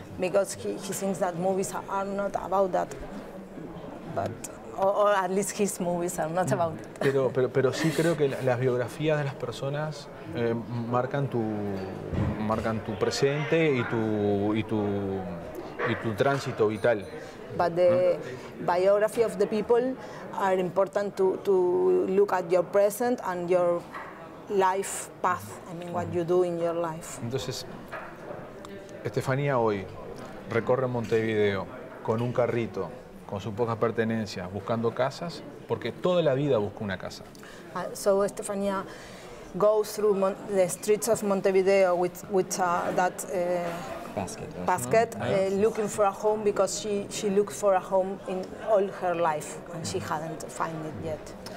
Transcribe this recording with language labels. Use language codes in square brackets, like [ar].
[en] because he thinks that movies are not about that, but or at least his movies are not about it. [es] Pero sí creo que las biografías de las personas marcan tu presente y tu tránsito vital. [en] But the biography of the people are important to look at your present and your life path. I mean, what you do in your life. [es] Entonces, Estefanía hoy recorre Montevideo con un carrito, con sus pocas pertenencias, buscando casas, porque toda la vida busca una casa. [en] So Estefanía goes through the streets of Montevideo with that basket, looking for a home because she looked for a home in all her life and she hadn't found it yet.